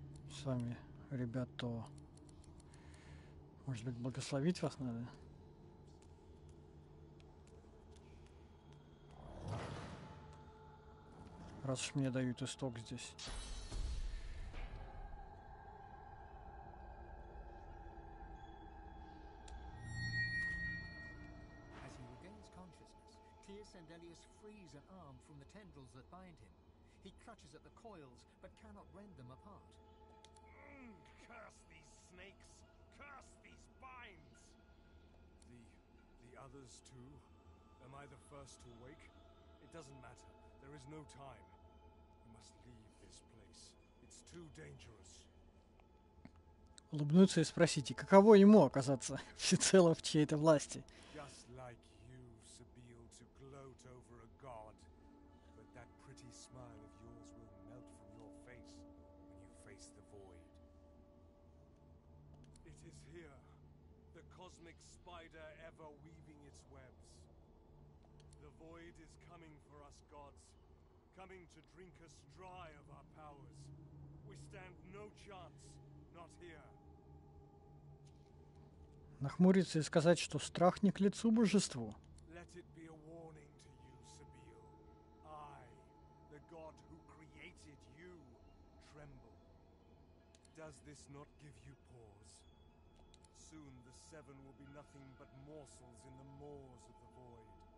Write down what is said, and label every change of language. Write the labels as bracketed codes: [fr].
[ru] С вами. Ребята, может быть, благословить вас надо? Раз уж мне дают исток здесь. [en] As he regains consciousness, Tyr Sendelius frees an arm from the tendrils that bind him. He clutches at the coils, but cannot rend them apart. Curse these snakes! Curse these binds! The others too? Am I the first to wake? It doesn't matter. There is no time. We must leave this place. It's too dangerous. [ru] Улыбнуться и спросите, каково ему оказаться всецело в чьей-то власти? [en] Just like you, Sibyl, to gloat over a god. But that pretty smile of yours will melt from your face when you face the void. It is here, the cosmic spider ever weaving its webs. The void is coming for us gods, coming to drink us dry of our powers. We stand no chance, not here. [ru] Нахмуриться и сказать, что страх не к лицу божеству. [en] Let it be a warning to you, Sibyl. I, the god who created you, tremble. Does this not give you pause? Soon the seven will be nothing but morsels in the maws of the void.